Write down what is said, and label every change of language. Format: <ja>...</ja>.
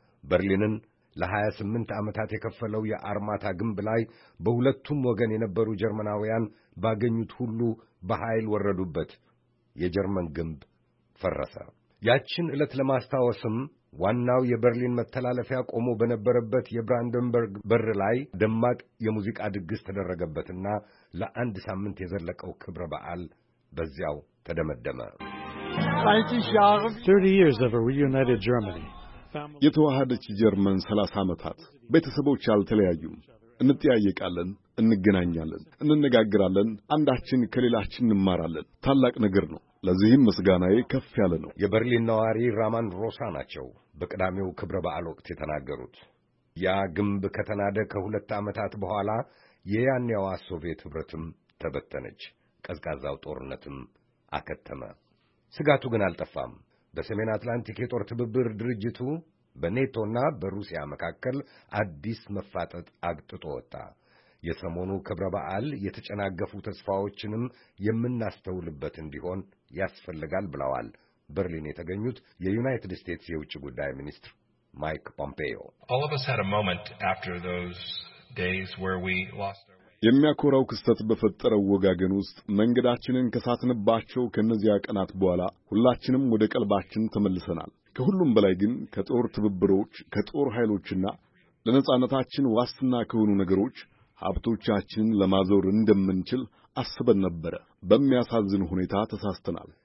<am>በርሊንን ለ28 ዓመታት የከፈለው የአርማታ ግንብ ላይ በሁለቱም ወገን የነበሩ ጀርመናውያን ባገኙት ሁሉ በኃይል ወረዱበት። የጀርመን ግንብ ፈረሰ። ያችን ዕለት ለማስታወስም ዋናው የበርሊን መተላለፊያ ቆሞ በነበረበት የብራንደንበርግ በር ላይ ደማቅ የሙዚቃ ድግስ ተደረገበትና ለአንድ ሳምንት የዘለቀው ክብረ በዓል በዚያው ተደመደመ።</am> <en>30 years of a reunited Germany.</en> <am>የተዋሃደች ጀርመን 30 ዓመታት። ቤተሰቦች አልተለያዩም። እንጠያየቃለን፣ እንገናኛለን፣ እንነጋገራለን፣ አንዳችን ከሌላችን እንማራለን። ታላቅ ነገር ነው። ለዚህም ምስጋናዬ ከፍ ያለ ነው። የበርሊን ነዋሪ ራማን ሮሳ ናቸው በቅዳሜው ክብረ በዓል ወቅት የተናገሩት። ያ ግንብ ከተናደ ከሁለት ዓመታት በኋላ የያኔው ሶቪየት ኅብረትም ተበተነች። ቀዝቃዛው ጦርነትም አከተመ። ስጋቱ ግን አልጠፋም። በሰሜን አትላንቲክ የጦር ትብብር ድርጅቱ በኔቶና በሩሲያ መካከል አዲስ መፋጠጥ አግጥጦ ወጣ። የሰሞኑ ክብረ በዓል የተጨናገፉ ተስፋዎችንም የምናስተውልበት እንዲሆን ያስፈልጋል ብለዋል በርሊን የተገኙት የዩናይትድ ስቴትስ የውጭ ጉዳይ ሚኒስትር ማይክ ፖምፔዮ።</am> <en>All of us had a moment after those days where we lost our way.</en> <am>የሚያኮራው ክስተት በፈጠረው ወጋገን ውስጥ መንገዳችንን ከሳትንባቸው ከነዚያ ቀናት በኋላ ሁላችንም ወደ ቀልባችን ተመልሰናል። ከሁሉም በላይ ግን ከጦር ትብብሮች፣ ከጦር ኃይሎችና ለነጻነታችን ዋስትና ከሆኑ ነገሮች ሀብቶቻችንን ለማዞር እንደምንችል አስበን ነበር። በሚያሳዝን ሁኔታ ተሳስተናል።</am>